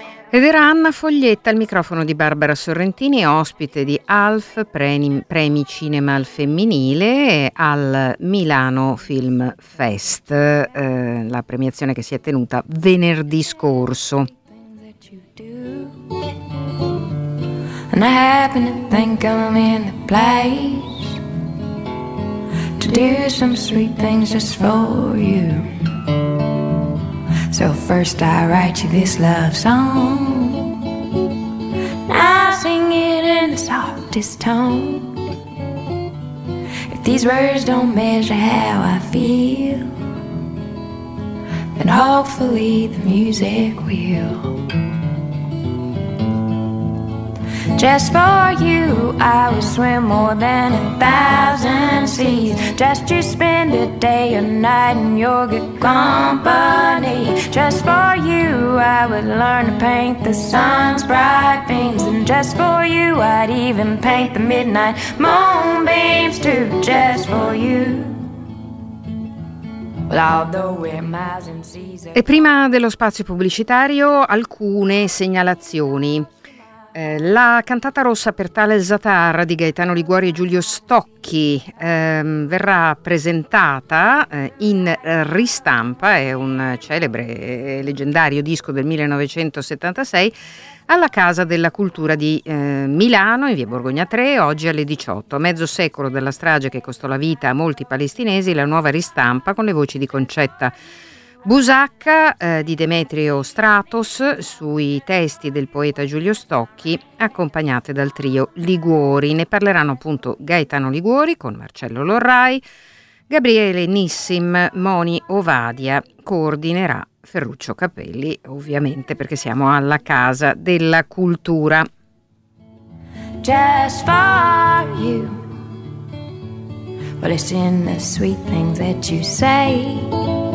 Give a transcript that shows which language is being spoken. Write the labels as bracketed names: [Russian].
[Italian] Ed era Anna Foglietta al microfono di Barbara Sorrentini, ospite di ALF, premi cinema al femminile, al Milano Film Fest, la premiazione che si è tenuta venerdì scorso. [English] And I happen to think I'm in the place to do some sweet things just for you. So first I write you this love song, I'll sing it in the softest tone. If these words don't measure how I feel, then hopefully the music will. Just for you, I would swim more than 1,000 seas, just to spend a day or night in your good company. Just for you, I would learn to paint the sun's bright beams, and just for you, I'd even paint the midnight moonbeams too, just for you. Miles and seas. [Italian] E prima dello spazio pubblicitario, alcune segnalazioni. La cantata rossa per Tale Zatar di Gaetano Liguori e Giulio Stocchi verrà presentata in ristampa, è un celebre e leggendario disco del 1976, alla Casa della Cultura di Milano in via Borgogna 3, oggi alle 18. Mezzo secolo della strage che costò la vita a molti palestinesi, la nuova ristampa con le voci di Concetta Busacca, di Demetrio Stratos, sui testi del poeta Giulio Stocchi, accompagnate dal trio Liguori. Ne parleranno appunto Gaetano Liguori con Marcello Lorrai, Gabriele Nissim, Moni Ovadia, coordinerà Ferruccio Capelli, ovviamente, perché siamo alla Casa della Cultura. [English] Just for you, but it's in the sweet things that you say.